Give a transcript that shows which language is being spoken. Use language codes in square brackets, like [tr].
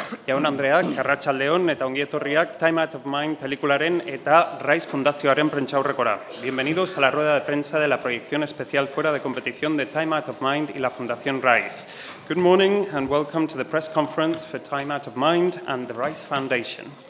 [eu] Jaun Andreak, arratsaldeon eta ongi etorriak Time Out of Mind pelikularen eta Rice Fundazioaren prentsaurrekora. [es] Bienvenidos a la rueda de prensa de la proyección especial fuera de competición de Time Out of Mind y la Fundación Rice. [en] Good morning and welcome to the press conference for Time Out of Mind and the Rice Foundation.